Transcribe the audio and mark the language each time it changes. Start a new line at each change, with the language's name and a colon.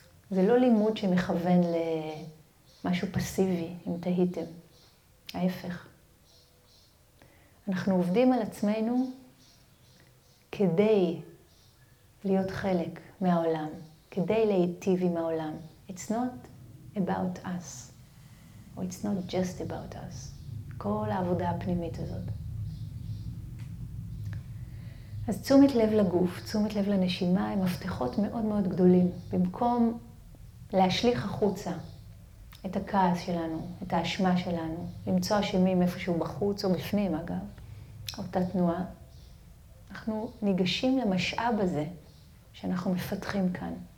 Hebrew: זה לא לימוד שמכוון ל... משהו פסיבי, אם תהיתם. ההפך. אנחנו עובדים על עצמנו כדי להיות חלק מהעולם, כדי להיטיב עם העולם.
English: It's not about us, or it's not just about us.
Hebrew: כל העבודה הפנימית הזאת. אז תשומת לב לגוף, תשומת לב לנשימה, הם מפתחות מאוד מאוד גדולים. במקום להשליך החוצה, את הכעס שלנו, את האשמה שלנו, למצוא אשמים איפשהו בחוץ או בפנים אגב, אותה תנועה, אנחנו ניגשים למשאב הזה שאנחנו מפתחים כאן.